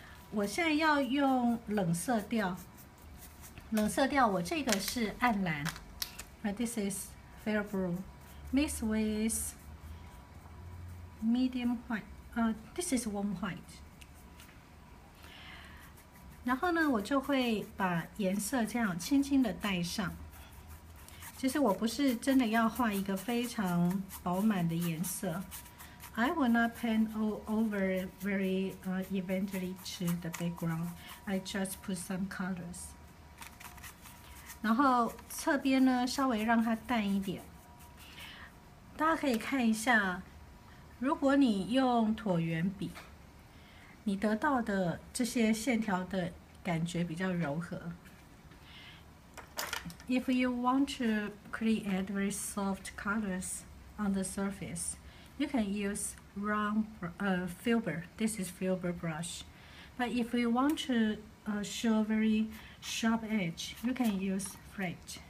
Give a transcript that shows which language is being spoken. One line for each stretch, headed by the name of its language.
Chinese: 我现在要用冷色调。冷色调，我这个是暗蓝。
English: This is fair blue. Mix with medium white. This is warm white.
Chinese: 然后呢，我就会把颜色这样轻轻的带上。其实我不是真的要画一个非常饱满的颜色。
English: I will not paint all over very evenly to the background. I just put some colors.
Chinese: 然后侧边呢，稍微让它淡一点。大家可以看一下，如果你用椭圆笔，你得到的这些线条的感觉比较柔和。
English: If you want to create very soft colors on the surface, you can use round filber. This is filber brush. But if you want to show very sharp edge, you can use flat.